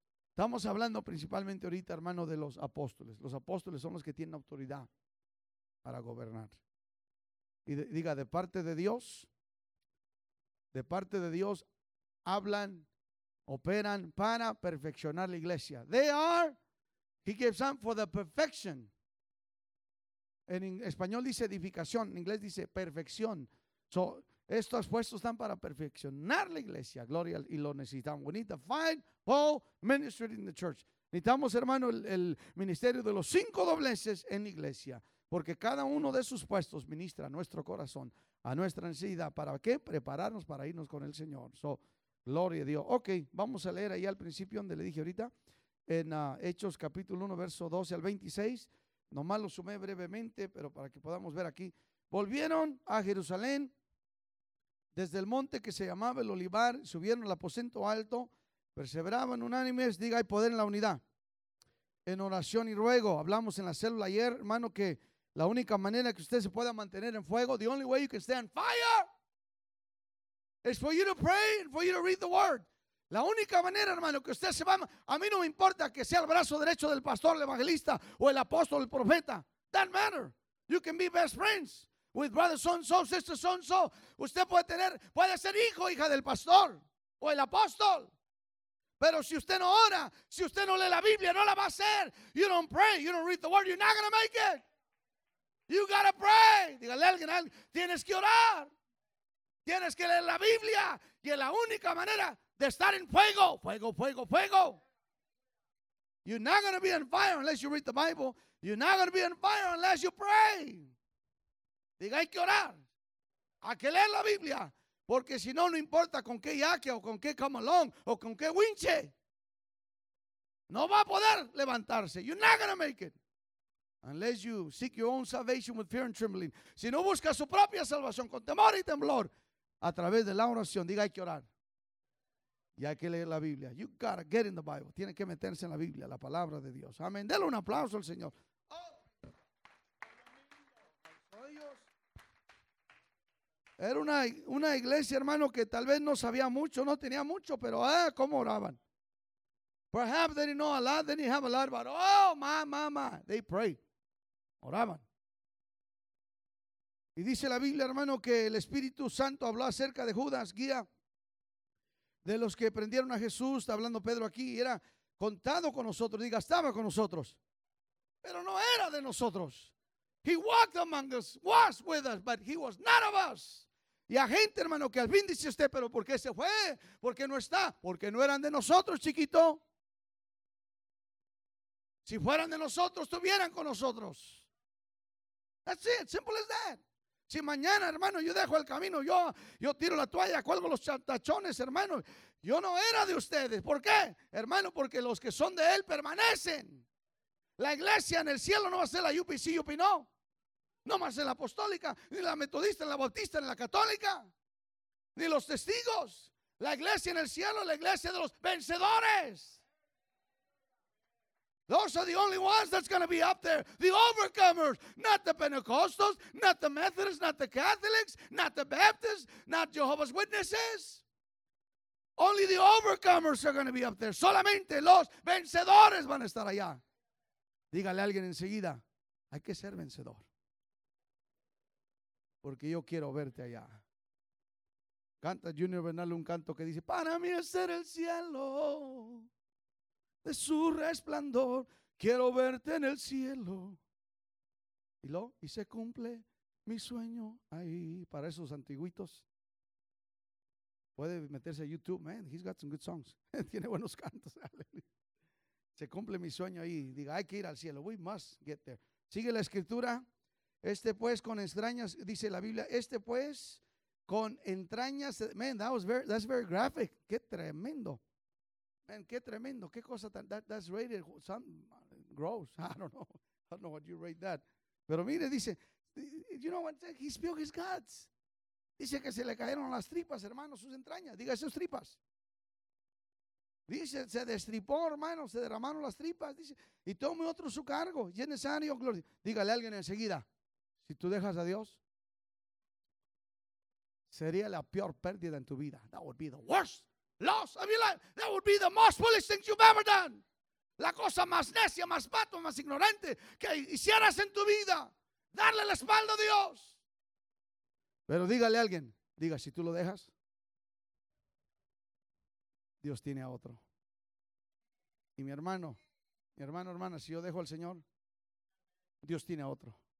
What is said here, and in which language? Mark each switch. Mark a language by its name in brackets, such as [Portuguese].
[Spanish] Estamos hablando principalmente ahorita, hermano, de los apóstoles. Los apóstoles son los que tienen autoridad para gobernar. Y diga, de parte de Dios, hablan, operan para perfeccionar la iglesia. [English] They are, he gives them for the perfection. [Spanish] En español dice edificación, en inglés dice perfección. So, estos puestos están para perfeccionar la iglesia, gloria, y lo necesitamos. [English] We need the five whole ministry in the church. [Spanish] Necesitamos, hermano, el ministerio de los cinco dobleces en la iglesia, porque cada uno de sus puestos ministra a nuestro corazón, a nuestra necesidad. ¿Para qué? Prepararnos para irnos con el Señor. So, gloria a Dios. Ok, vamos a leer ahí al principio donde le dije ahorita, en Hechos capítulo 1, verso 12 al 26. Nomás lo sumé brevemente, pero para que podamos ver aquí. Volvieron a Jerusalén desde el monte que se llamaba el Olivar, subieron al aposento alto, perseveraban unánimes, diga, hay poder en la unidad. En oración y ruego, hablamos en la célula ayer, hermano, que la única manera que usted se pueda mantener en fuego, [English] the only way you can stay on fire, is for you to pray and for you to read the word. [Spanish] La única manera, hermano, que usted se va, a mí no me importa que sea el brazo derecho del pastor, el evangelista, o el apóstol, el profeta, [English] that matter, you can be best friends. With brother so-and-so, sister so-and-so. [Spanish] Usted puede ser hijo o hija del pastor o el apóstol. Pero si usted no ora, si usted no lee la Biblia, no la va a hacer. [English] You don't pray, you don't read the word, you're not going to make it. You got to pray. [Spanish] Dígale a alguien, tienes que orar. Tienes que leer la Biblia. Y es la única manera de estar en fuego. Fuego, fuego, fuego. [English] You're not going to be on fire unless you read the Bible. You're not going to be on fire unless you pray. [Spanish] Diga, hay que orar, hay que leer la Biblia, porque si no, no importa con qué yaque o con qué come along o con qué winche, no va a poder levantarse. [English] You're not going to make it unless you seek your own salvation with fear and trembling. [Spanish] Si no busca su propia salvación con temor y temblor a través de la oración, diga, hay que orar y hay que leer la Biblia. [English] You got to get in the Bible. [Spanish] Tiene que meterse en la Biblia, la palabra de Dios. Amén. Dele un aplauso al Señor. Era una iglesia, hermano, que tal vez no sabía mucho, no tenía mucho, pero ¿cómo oraban? [English] Perhaps they didn't know a lot, they didn't have a lot, but oh, my, they pray. [Spanish] Oraban. Y dice la Biblia, hermano, que el Espíritu Santo habló acerca de Judas, guía de los que prendieron a Jesús. Está hablando Pedro aquí, y era contado con nosotros, diga, estaba con nosotros, pero no era de nosotros. [English] He walked among us, was with us, but he was not of us. [Spanish] Y a gente, hermano, que al fin dice usted, pero ¿por qué se fue? ¿Por qué no está? Porque no eran de nosotros, chiquito. Si fueran de nosotros, estuvieran con nosotros. [English] That's it, simple as that. [Spanish] Si mañana, hermano, yo dejo el camino, yo tiro la toalla, cuelgo los tachones, hermano. Yo no era de ustedes. ¿Por qué? Hermano, porque los que son de él permanecen. La iglesia en el cielo no va a ser la UPC, UP, no. No más en la apostólica, ni la metodista, ni la bautista, ni la católica, ni los testigos. La iglesia en el cielo, la iglesia de los vencedores. [English] Those are the only ones that's going to be up there. The overcomers, not the Pentecostals, not the Methodists, not the Catholics, not the Baptists, not Jehovah's Witnesses. Only the overcomers are going to be up there. [Spanish] Solamente los vencedores van a estar allá. Dígale a alguien enseguida, hay que ser vencedor. Porque yo quiero verte allá. Canta Junior Bernal un canto que dice, para mí es ser el cielo. de su resplandor, quiero verte en el cielo. Y lo, y se cumple mi sueño ahí. Para esos antiguitos, puede meterse a YouTube, [English] man, he's got some good songs. [Spanish] Tiene buenos cantos. Se cumple mi sueño ahí. Diga, hay que ir al cielo. [English] We must get there. [Spanish] Sigue la escritura. Este pues con entrañas, dice la Biblia, este pues con entrañas. [English] Man, that was very, that's very graphic. [Spanish] Qué tremendo. [English] Man, [Spanish] qué tremendo. Qué cosa tan, [English] that, that's rated some gross. I don't know what you rate that. [Spanish] Pero mire, dice, [English] you know what, he spilled his guts. [Spanish] Dice que se le cayeron las tripas, hermano, sus entrañas. Diga, sus tripas. Dice, se destripó, hermano, se derramaron las tripas. Dice, y tome otro su cargo. Y es necesario, gloria. Dígale a alguien enseguida, si tú dejas a Dios, sería la peor pérdida en tu vida. [English] That would be the worst loss of your life. That would be the most foolish thing you've ever done. [Spanish] La cosa más necia, más pato, más ignorante que hicieras en tu vida. Darle la espalda a Dios. Pero dígale a alguien, diga, si tú lo dejas, Dios tiene a otro. Y mi hermano, hermana, si yo dejo al Señor, Dios tiene a otro.